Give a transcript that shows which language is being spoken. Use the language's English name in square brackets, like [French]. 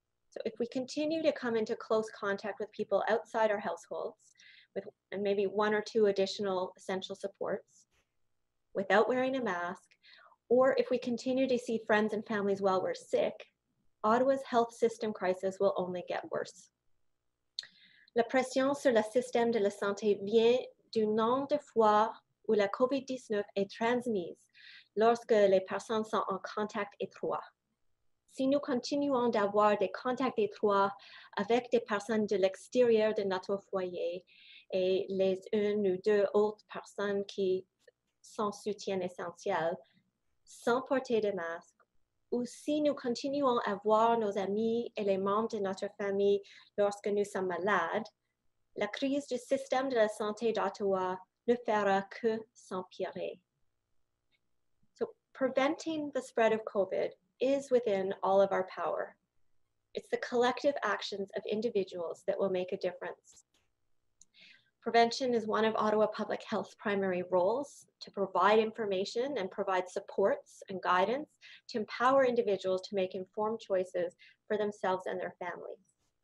[English] So if we continue to come into close contact with people outside our households, with and maybe one or two additional essential supports, without wearing a mask, or if we continue to see friends and families while we're sick, Ottawa's health system crisis will only get worse. [French] La pression sur le système de la santé vient du nombre de fois où la COVID-19 est transmise lorsque les personnes sont en contact étroit. Si nous continuons d'avoir des contacts étroits avec des personnes de l'extérieur de notre foyer et les une ou deux autres personnes qui sont soutien essentiel sans porter de masque, ou si nous continuons à voir nos amis et les membres de notre famille lorsque nous sommes malades, la crise du système de la santé d'Ottawa ne fera que s'empirer. [English] So preventing the spread of COVID is within all of our power. It's the collective actions of individuals that will make a difference. Prevention is one of Ottawa Public Health's primary roles, to provide information and provide supports and guidance to empower individuals to make informed choices for themselves and their families.